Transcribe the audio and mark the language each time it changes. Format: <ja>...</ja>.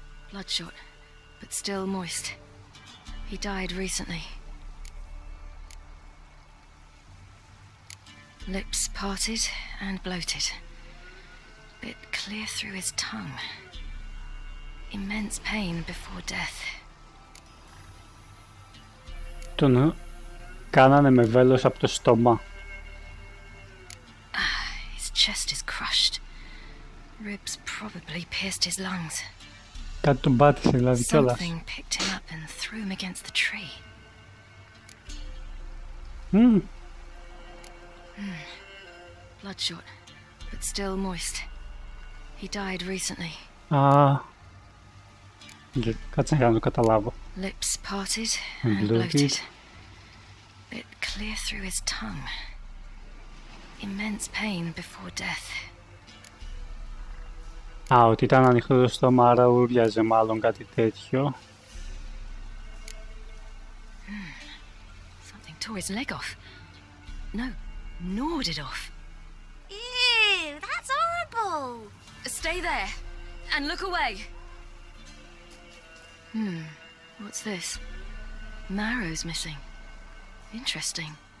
<en>Bloodshot, but still moist. He died recently. Lips parted and bloated. Bit clear through his tongue. Immense pain before death.</en> <el>Τον κάνανε με βέλος από το στόμα.</el> <en>His chest is crushed. Ribs probably pierced his lungs.</en> <el>Κάτι τον πάτησε, δηλαδή κιόλας.</el> <en>Something picked him up and threw him against the tree. Mm. bloodshot, but still moist. He died recently.</en> <el>Ah. Κάτσε να το καταλάβω.</el> <en>Lips parted and bloated. Bit clear through his tongue. Immense pain before death.</en> <el>Α, ότι ήταν ανοιχτό το στόμα, άρα ούρλιαζε μάλλον κάτι τέτοιο.</el> <en>Something tore his leg off. No, gnawed it off. Ew, that's horrible. Stay there and look away. Hmm, what's this? Marrow's missing. Interesting.</en>